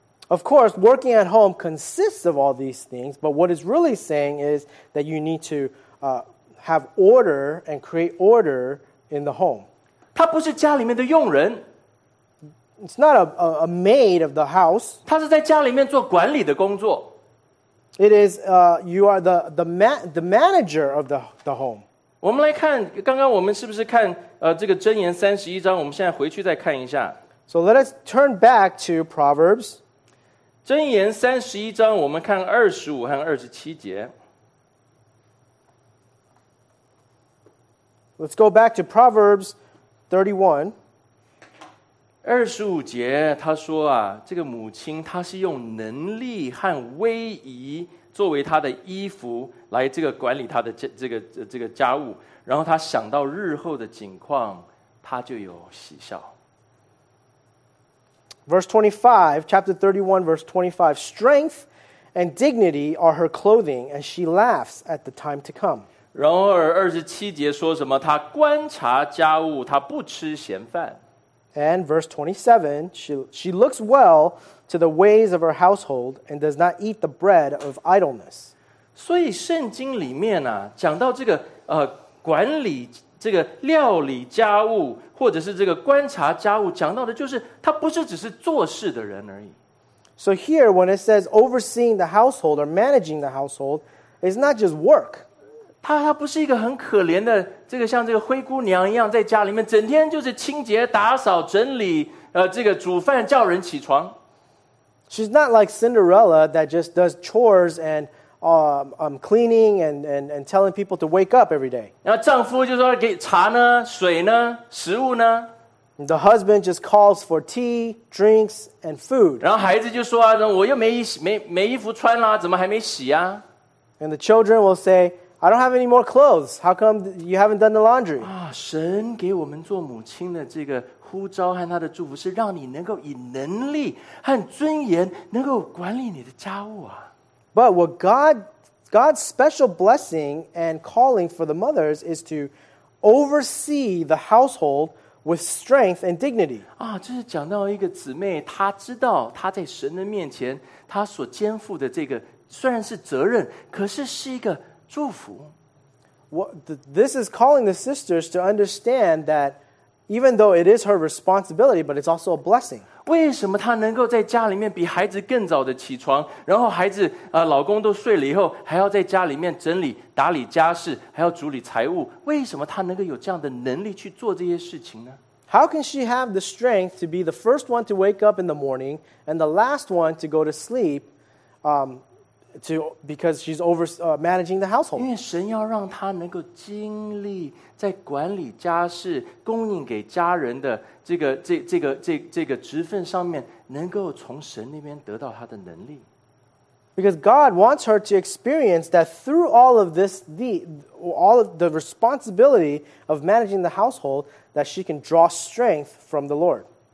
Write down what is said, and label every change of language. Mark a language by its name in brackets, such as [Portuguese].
[English] Of course, working at home consists of all these things, but what it's really saying is that you need to have order and create order in the home. [Chinese] 他不是家里面的佣人。 [English] It's not a maid of the house. [Chinese] 他是在家里面做管理的工作。 [English] It is you are the manager of the home. [Chinese] 我们来看刚刚我们是不是看这个箴言三十一章？我们现在回去再看一下。 [English] So let us turn back to Proverbs. [Chinese] 箴言三十一章，我们看二十五和二十七节。 [English] Let's go back to Proverbs 31. [Chinese] 二十五节他说啊，这个母亲她是用能力和威仪。作为他的衣服来这个管理他的这个家务，然后他想到日后的景况，他就有喜笑。 [English] Verse 25, chapter 31, verse 25, strength and dignity are her clothing, and she laughs at the time to come. [Chinese] 然而二十七节说什么？他观察家务，他不吃闲饭。 [English] And verse 27, she looks well. To the ways of her household and does not eat the bread of idleness. [Chinese] 所以圣经里面啊，讲到这个管理这个料理家务，或者是这个观察家务，讲到的就是他不是只是做事的人而已。 [English] So here, when it says overseeing the household or managing the household, it's not just work. [Chinese] 他不是一个很可怜的这个像这个灰姑娘一样在家里面整天就是清洁、打扫、整理这个煮饭、叫人起床。 [English] She's not like Cinderella that just does chores and cleaning and telling people to wake up every day. [Chinese] 然后丈夫就说给茶呢、水呢、食物呢。 [English] The husband just calls for tea, drinks, and food. [Chinese] 然后孩子就说啊，我又没衣服穿啦，怎么还没洗啊？ [English] And the children will say, I don't have any more clothes. How come you haven't done the laundry? [Chinese] 啊，神给我们做母亲的这个。呼召和他的祝福是让你能够以能力和尊严能够管理你的家务啊。 [English] But what God's special blessing and calling for the mothers is to oversee the household with strength and dignity. [Chinese] 啊，就是讲到一个姊妹，她知道她在神的面前，她所肩负的这个虽然是责任，可是是一个祝福。 [English] This is calling the sisters to understand that even though it is her responsibility, but it's also a blessing. [Chinese] 为什么她能够在家里面比孩子更早的起床，然后孩子老公都睡了以后，还要在家里面整理打理家事，还要处理财务？为什么她能够有这样的能力去做这些事情呢？ [English] How can she have the strength to be the first one to wake up in the morning and the last one to go to sleep? Because she's over managing the household. [Chinese] 因为神要让她能够经历在管理家事、供应给家人的这个职分上面，能够从神那边得到她的能力。 [English] Because God wants her to experience that through all of this, all of the responsibility of managing the household, that she can draw strength from the Lord.